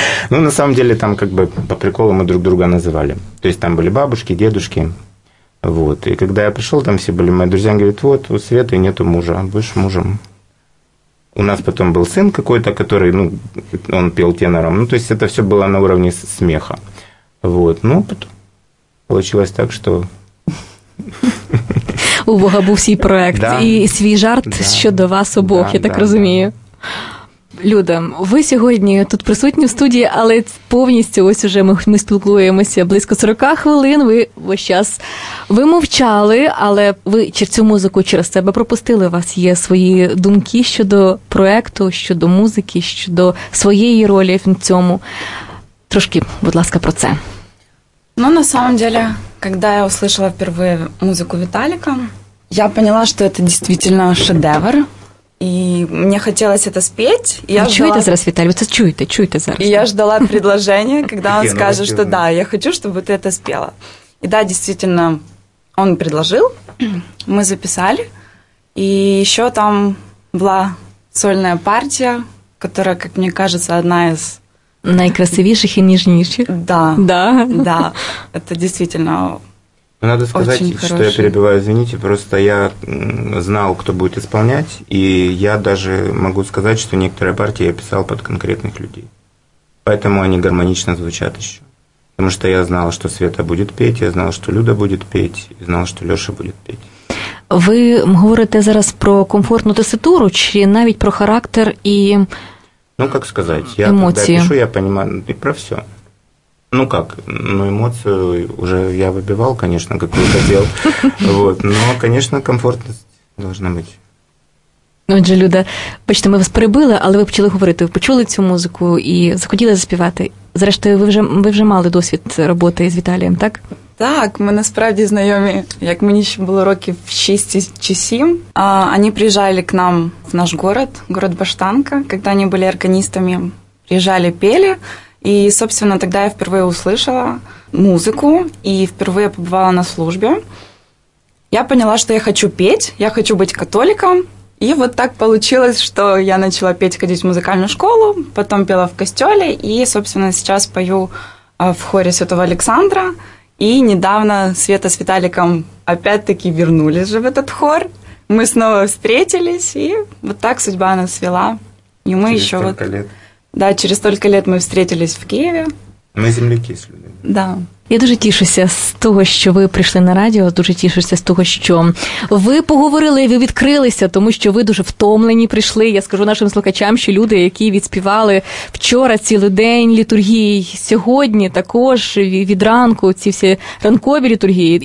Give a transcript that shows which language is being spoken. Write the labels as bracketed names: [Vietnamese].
[Russian] Ну, на самом деле, там как бы по приколу мы друг друга называли. То есть, там были бабушки, дедушки. Вот. И когда я пришел, там все были мои друзья. Они говорят, вот, у Светы нету мужа, будешь мужем. У нас потом был сын какой-то, который, ну, он пел тенором. Ну, то есть, это все было на уровне смеха. Вот. Ну, потом получилось так, что... [Ukrainian] У Бога був свій проєкт, да, і свій жарт, да, щодо вас обох, да, я так, да, розумію. Да. Люда, ви сьогодні тут присутні в студії, але повністю ось уже ми спілкуємося близько 40 хвилин, ви весь час вимовчали, але ви через цю музику, через себе пропустили, у вас є свої думки щодо проєкту, щодо музики, щодо своєї ролі в цьому. Трошки, будь ласка, про це. [Russian] Ну, на самом деле, когда я услышала впервые музыку Виталика, я поняла, что это действительно шедевр. И мне хотелось это спеть. [Ukrainian] Я чуете зараз, Виталь? [Russian] Вы это [Ukrainian] чуете, чуете зараз. [Russian] И я ждала предложения, когда он скажет, что да, я хочу, чтобы ты это спела. И да, действительно, он предложил, мы записали. И еще там была сольная партия, которая, как мне кажется, одна из... [Ukrainian] Найкрасивіших і ніжніших. [Russian] Да. Да. Да. Это действительно. Ну, надо сказать, очень что хороший. Я перебиваю, извините, просто я знал, кто будет исполнять, и я даже могу сказать, что некоторые партии я писал под конкретных людей. Поэтому они гармонично звучат ещё. Потому что я знал, что Света будет петь, я знал, что Люда будет петь, и знал, что Лёша будет петь. [Ukrainian] Ви говорите зараз про комфортну тесситуру чи навіть про характер і [Russian] Ну, как сказать, я эмоции. Когда пишу, я понимаю, и про все. Ну как, ну эмоцию уже я выбивал, конечно, как я хотел. Вот. Но, конечно, комфортность должна быть. [Ukrainian] Отже, Люда, бачите, ми вас перебили, але ви почали говорити, ви почули цю музику і захотіли заспівати. Зрештою, ви вже мали досвід роботи з Віталієм, так? Так, ми насправді знайомі, як мені ще було років 6 чи 7. Вони приїжджали [Russian] к нам в наш город, город [Ukrainian] Баштанка, коли вони були органістами, приїжджали, пели. І, [Russian] собственно, [Ukrainian] тоді я вперше [Russian] услышала [Ukrainian] музику і вперше побувала на службі. [Russian] Я поняла, [Ukrainian] що я хочу петь, я хочу бути католиком. І от так вийшло, що я почала петь, ходити в музикальну школу, потім пела в костелі і, [Russian] собственно, [Ukrainian] зараз пою в хорі Святого Олександра. [Russian] И недавно Света с Виталиком опять-таки вернулись же в этот хор. Мы снова встретились, и вот так судьба нас свела. И мы через еще столько вот... лет. Да, через столько лет мы встретились в Киеве. Мы земляки с людьми. Да. [Ukrainian] Я дуже тішуся з того, що ви прийшли на радіо, дуже тішуся з того, що ви поговорили, ви відкрилися, тому що ви дуже втомлені прийшли. Я скажу нашим слухачам, що люди, які відспівали вчора цілий день літургії, сьогодні також від ранку ці всі ранкові літургії.